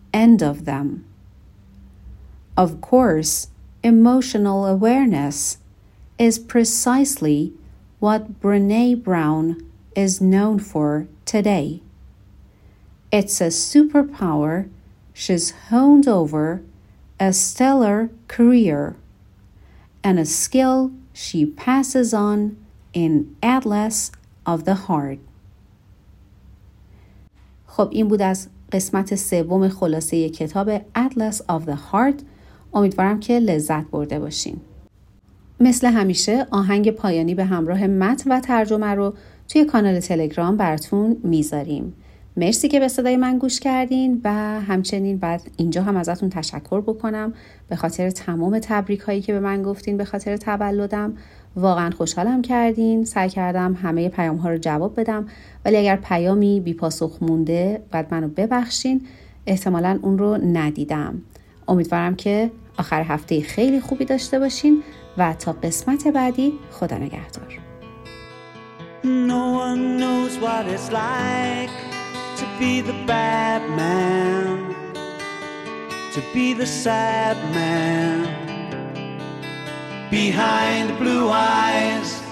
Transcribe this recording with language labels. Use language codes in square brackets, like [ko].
[en] end of them. Of course, emotional awareness is precisely what Brené Brown is known for today. It's a superpower she's honed over a stellar career and a skill she passes on in Atlas of the Heart. [fa] خب این بود از قسمت سوم خلاصه کتاب Atlas of the Heart. امیدوارم که لذت برده باشین. مثل همیشه آهنگ پایانی به همراه متن و ترجمه رو توی کانال تلگرام براتون میذاریم. مرسی که به صدای من گوش کردین و همچنین بعد اینجا هم ازتون تشکر بکنم به خاطر تمام تبریک هایی که به من گفتین به خاطر تولدم. واقعا خوشحالم کردین. سعی کردم همه پیام ها رو جواب بدم، ولی اگر پیامی بی پاسخ مونده بعد منو ببخشین، احتمالا اون رو ندیدم. امیدوارم که آخر هفته خیلی خوبی داشته باشین و تا قسمت بعدی خدا نگهدار. [en] No one knows what it's like to be the bad man, to be the sad man behind the blue eyes.